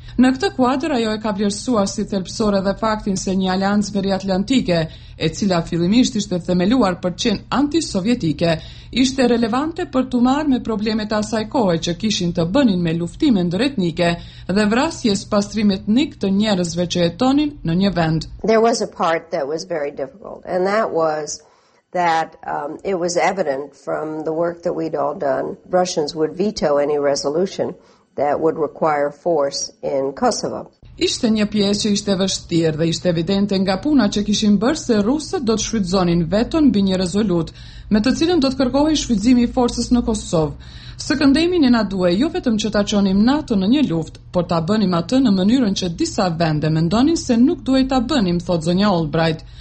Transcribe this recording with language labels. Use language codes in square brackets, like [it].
[sq] Në këtë kuadër ajo e ka vlerësuar si thelbësore dhe faktin se një aleancë periatlantike, e cila fillimisht ishte themeluar për qen antisovjetike, ishte relevante për të marrë me problemet asaj kohe që kishin të bënin me luftime ndëretnike dhe vrasje spastrimi etnik të njerëzve që jetonin në një vend. [en] There was a part that was very difficult, and that was that it was evident from the work that we'd all done, Russians would veto any resolution that would require force in Kosovo. [sq] Ishte një pjesë që ishte vështirë dhe ishte evidente nga puna që kishin bërë se rusët do të shfrytëzonin veton mbi një rezolutë, me të cilën do të kërkohej shfrytëzimi i forcës në Kosovë. Së këndemi ne na duhej jo vetëm që ta çonim NATO në një luftë, por ta bënim atë në mënyrën që disa vende mendonin se nuk duhej ta bënim, thot zonja Albright.